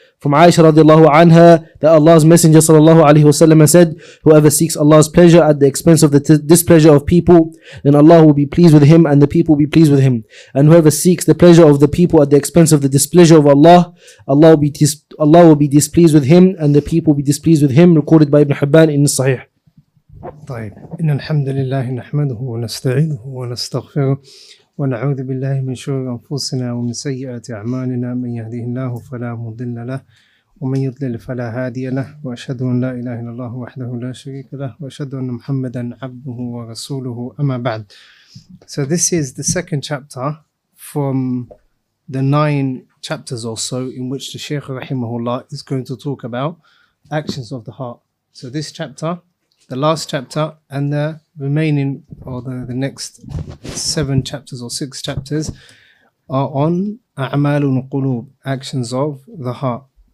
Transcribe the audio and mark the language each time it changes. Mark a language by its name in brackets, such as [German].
[English] From Aisha radiallahu anha, that Allah's Messenger sallallahu alayhi wa sallam said, whoever seeks Allah's pleasure at the expense of the displeasure of people, then Allah will be pleased with him and the people will be pleased with him. And whoever seeks the pleasure of the people at the expense of the displeasure of Allah, Allah will be displeased with him and the people will be displeased with him, recorded by Ibn Hibban in Sahih. [Arabic] طيب إن الحمد لله نحمده ونستعينه ونستغفره ونعوذ بالله من شرور أنفسنا ومن سيئات أعمالنا من يهده الله فلا مضل له ومن يضلل فلا هادي له وأشهد أن لا إله إلا الله وحده لا شريك له وأشهد أن محمدا عبده ورسوله أما بعد. [English] So this is the second chapter from the 9 chapters or so in which the Shaykh [Arabic] رحمه الله [English] is going to talk about actions of the heart. So this chapter, the last chapter, and the remaining, or the next 7 chapters or 6 chapters, are on a'malu al-qulub, actions of the heart.